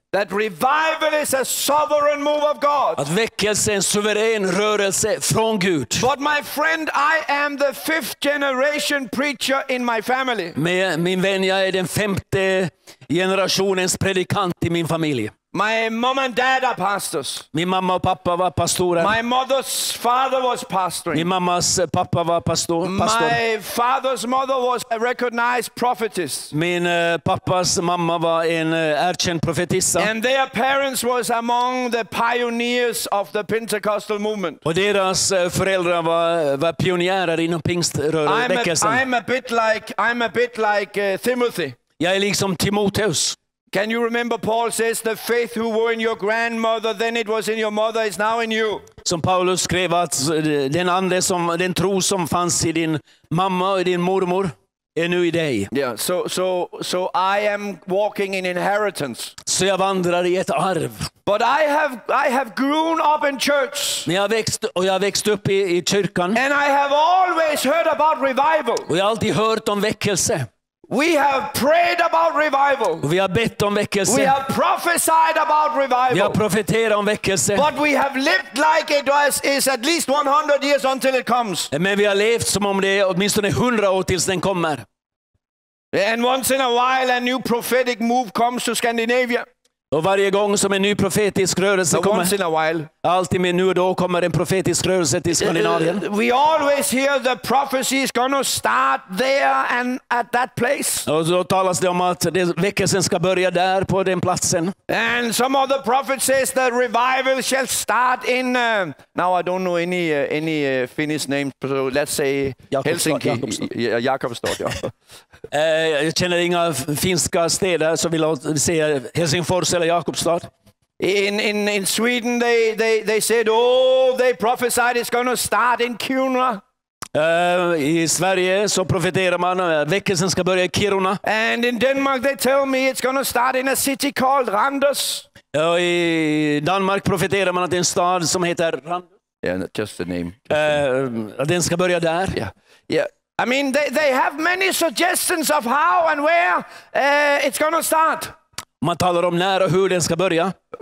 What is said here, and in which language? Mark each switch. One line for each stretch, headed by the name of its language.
English: That revival is a sovereign move of God.
Swedish: Att väckelse är en suverän rörelse från Gud.
English: But my friend, I am the fifth generation preacher in my family.
Swedish: Min vän, jag är den femte generationens predikant i min familj.
English: My mom and dad are pastors.
Swedish: Min mamma och pappa var pastorer.
English: My mother's father was pastoring.
Swedish: Min mammas pappa var pastor.
English: My father's mother was a recognized prophetess.
Swedish: Min pappas mamma var en erkänd profetissa.
English: And their parents was among the pioneers of the Pentecostal movement.
Swedish: Och deras föräldrar var pionjärer inom pingströrelsen.
English: I'm a bit like Timothy.
Swedish: Jag är liksom Timoteus.
English: Can you remember Paul says the faith who were in your grandmother then it was in your mother is now in you.
Swedish: Som Paulus skrev att den ande som den tro som fanns i din mamma och i din mormor ännu i dig.
English: Yeah, so I am walking in inheritance.
Swedish: Så jag vandrar i ett arv.
English: But I have grown up in church.
Swedish: Men jag växt och jag växt upp i kyrkan.
English: And I have always heard about revival.
Swedish: Och jag har alltid hört om väckelse.
English: We have prayed about revival.
Swedish: Vi har bett om väckelse.
English: We have prophesied about revival.
Swedish: Vi har profeterat om väckelse.
English: But we have lived like it was is at least 100 years until it comes.
Swedish: Men vi har levt som om det är åtminstone 100 år tills den kommer.
English: And once in a while a new prophetic move comes to Scandinavia.
Swedish: Och varje gång som en ny profetisk rörelse kommer.
English: Once in a while.
Swedish: Alltid men nu och då kommer en profetisk rörelse till Skandinavien.
English: We always hear the prophecy is going to start there and at that place.
Swedish: Och så talas det om att väckelsen ska börja där på den platsen.
English: And some of the prophets says that revival shall start in now I don't know any Finnish name, so let's say Helsinki.
Swedish: Jakobstad. Jag känner inga finska städer så vill jag säga Helsingfors eller Jakobstad.
English: In Sweden they said they prophesied it's going to start in Kiruna.
Swedish: I Sverige så profeterar man väckelsen ska börja i Kiruna.
English: And in Denmark they tell me it's going to start in a city called Randers.
Swedish: I Danmark profeterar man att en stad som heter Randers.
English: Yeah, just the name.
Swedish: Den ska börja där.
English: Yeah. Yeah. I mean they have many suggestions of how and where it's going to start.
Swedish: Man talar om när och hur den ska börja.